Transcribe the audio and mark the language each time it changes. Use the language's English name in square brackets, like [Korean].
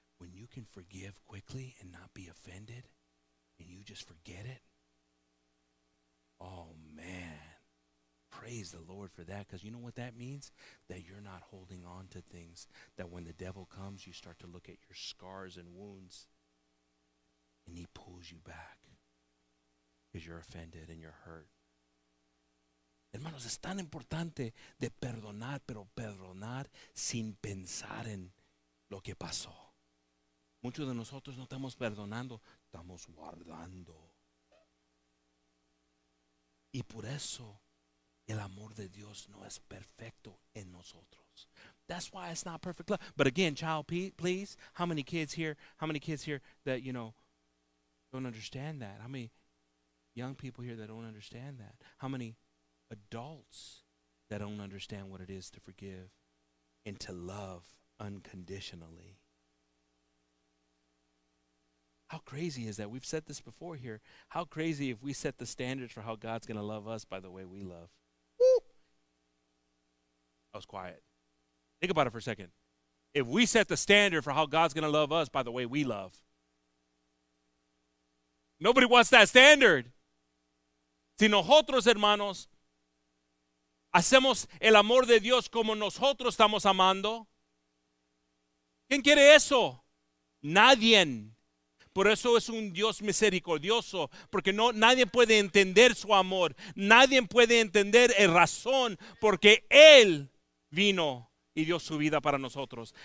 [English] When you can forgive quickly and not be offended, and you just forget it, oh, man, praise the Lord for that. Because you know what that means? That you're not holding on to things, that when the devil comes, you start to look at your scars and wounds, and he pulls you back because you're offended and you're hurt. [Spanish] Hermanos, es tan importante de perdonar, pero perdonar sin pensar en lo que pasó. Muchos de nosotros no estamos perdonando, estamos guardando. Y por eso el amor de Dios no es perfecto en nosotros. [English] That's why it's not perfect love. But again, child, please, how many kids here that, you know, don't understand that? How many young people here that don't understand that? How many adults that don't understand what it is to forgive and to love unconditionally? How crazy is that? We've said this before here. How crazy if we set the standards for how God's going to love us by the way we love. Woo! I was quiet. Think about it for a second. If we set the standard for how God's going to love us by the way we love. Nobody wants that standard. [Spanish] Si nosotros, hermanos, hacemos el amor de Dios como nosotros estamos amando. ¿Quién quiere eso? Nadie. Por eso es un Dios misericordioso, porque no, nadie puede entender su amor, nadie puede entender el razón porque Él vino y dio su vida para nosotros.